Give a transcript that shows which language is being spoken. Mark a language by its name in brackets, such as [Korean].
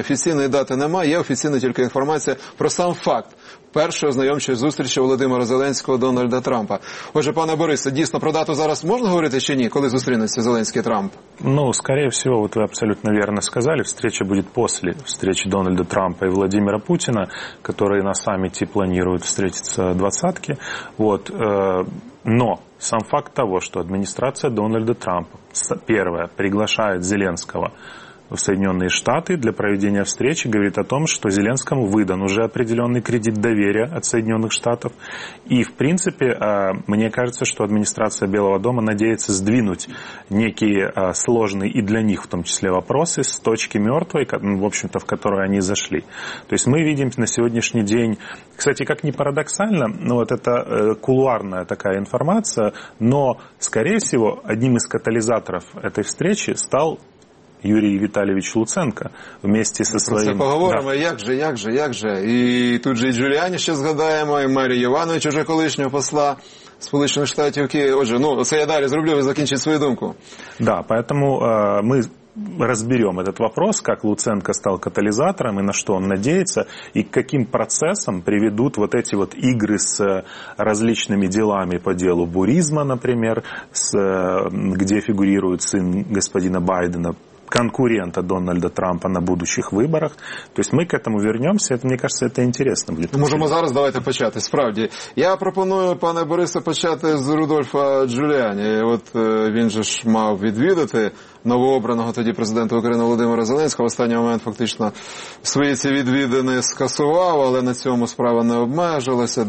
[Ukrainian] Офіційної дати немає, є офіційна тільки інформація про сам факт першої ознайомчої зустрічі Володимира Зеленського Дональда Трампа. Отже, пане Борисе, дійсно про дату зараз можна говорити чи ні, коли зустрінеться Зеленський і Трамп? Ну, скоріше всього, от ви абсолютно вірно сказали, [Russian] встреча [Ukrainian] буде після встречі Дональда Трампа і Володимира Путіна, які на саміті планують зустрітися двадцятки. [Russian] От, но сам факт того, [Ukrainian] що адміністрація Дональда Трампа, перше, [Russian] приглашає Зеленського в Соединенные Штаты для проведения встречи, говорит о том, что Зеленскому выдан уже определенный кредит доверия от Соединенных Штатов. И, в принципе, мне кажется, что администрация Белого дома надеется сдвинуть некие сложные и для них в том числе вопросы с точки мертвой, в общем-то, в которую они зашли. То есть мы видим на сегодняшний день, кстати, как ни парадоксально, но вот это кулуарная такая информация, но, скорее всего, одним из катализаторов этой встречи стал Юрій Віталійович Луценко вместе со своим... [Ukrainian] Про це поговоримо, да. як же. І тут же і Джуліані ще згадаємо, і Марію Івановичу, вже колишнього посла Сполучених Штатів Києва. Отже, ну, це я далі зроблю, ви закінчите свою думку. [Russian] Да, поэтому мы разберем этот вопрос, как Луценко стал катализатором и на что он надеется, и к каким процессам приведут вот эти вот игры с различными делами по делу Бурисма, например, где фигурирует сын господина Байдена, конкурента Дональда Трампа на будущих выборах. То есть мы к этому вернемся, это, мне кажется, это интересно будет. [Ukrainian] Можемо зараз давайте почати, справді. Я пропоную, пане Борисе, почати з Рудольфа Джуліані. От він же ж мав відвідати новообраного тоді президента України Володимира Зеленського. В останній момент фактично свої ці відвідини скасував, але на цьому справа не обмежилася.